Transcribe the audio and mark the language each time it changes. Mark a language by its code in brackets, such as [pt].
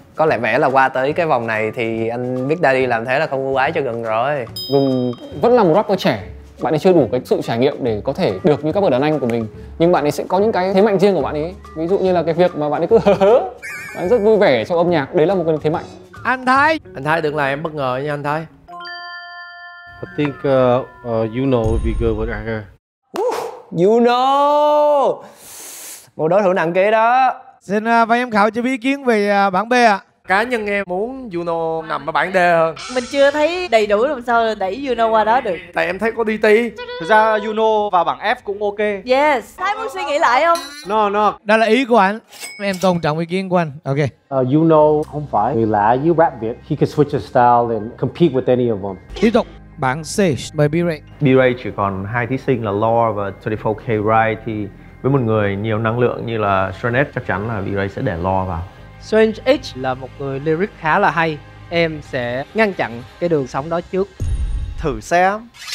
[vi] Có lẽ vẻ là qua tới cái vòng này thì anh Big Daddy làm thế là không ưu ái cho gừng rồi. Gừng vẫn là một rapper trẻ, bạn ấy chưa đủ cái sự trải nghiệm để có thể được như các bậc đàn anh của mình. Nhưng bạn ấy sẽ có những cái thế mạnh riêng của bạn ấy. Ví dụ như là cái việc mà bạn ấy cứ hớ hớ, bạn ấy rất vui vẻ trong âm nhạc, đấy là một cái thế mạnh. Anh Thái. Anh Thái đừng làm em bất ngờ nha anh Thái. [en] I think you know would be good with her. You know, [vi] một đối thủ nặng ký đó. Xin ban giám khảo cho ý kiến về bảng B ạ. À. Cá nhân em muốn Juno nằm ở bảng D hơn. Mình chưa thấy đầy đủ làm sao đẩy Juno qua đó được. Tại em thấy có DT. Thực ra Juno vào bảng F cũng ok. [en] Yes. [vi] Thái muốn suy nghĩ lại không? [en] No, no. [vi] Đó là ý của anh. Em tôn trọng ý kiến của anh. Ok. Juno không phải người lạ với rap Việt. [en] He can switch his style and compete with any of them. [vi] Tiếp tục. Bảng C bởi B-Ray. B-Ray chỉ còn hai thí sinh là Lore và 24K Ride. Thì với một người nhiều năng lượng như là Strange, chắc chắn là B-Ray sẽ để Lore vào. Strange H là một người lyric khá là hay. em sẽ ngăn chặn cái đường sóng đó trước. Thử xem.